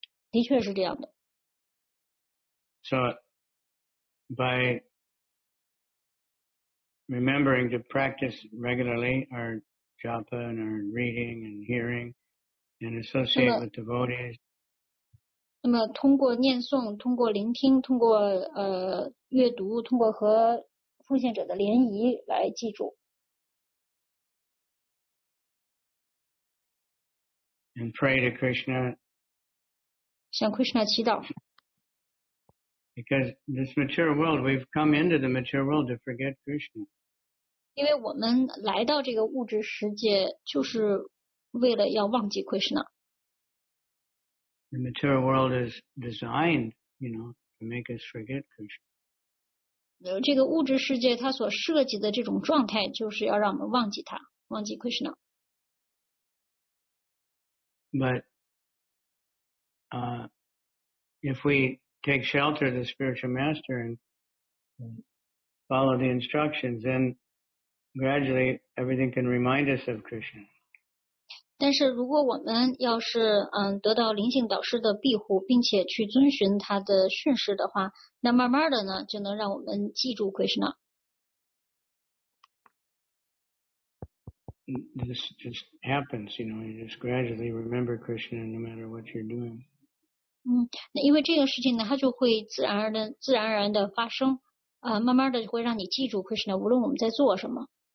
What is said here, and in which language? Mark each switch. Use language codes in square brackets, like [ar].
[zh] 的确是这样的。 [en] So, by remembering to practice regularly our japa and our reading and hearing and associate with devotees, [zh] 那么通过念诵通过聆听通过阅读通过和奉献者的联谊来记住。 [en] And pray to Krishna. [zh] 向 Krishna 祈祷。 [en] Because this material world, we've come into the material world to forget Krishna. [zh] 因为我们来到这个物质世界就是为了要忘记 Krishna。 [en] The material world is designed, you know, to make us forget Krishna. [zh] 这个物质世界它所设计的这种状态就是要让我们忘记它，忘记 Krishna. [en] But, if we take shelter of the spiritual master and follow the instructions, then gradually everything can remind us of Krishna. [zh] 但是如果我们要是得到灵性导师的庇护并且去遵循他的训示的话那慢慢的呢就能让我们记住 Krishna. [en] This just happens, you know, you just gradually remember Krishna no matter what you're doing. [zh] 那因为这个事情呢它就会自然而然的发生慢慢的会让你记住 Krishna, 无论我们在做什么。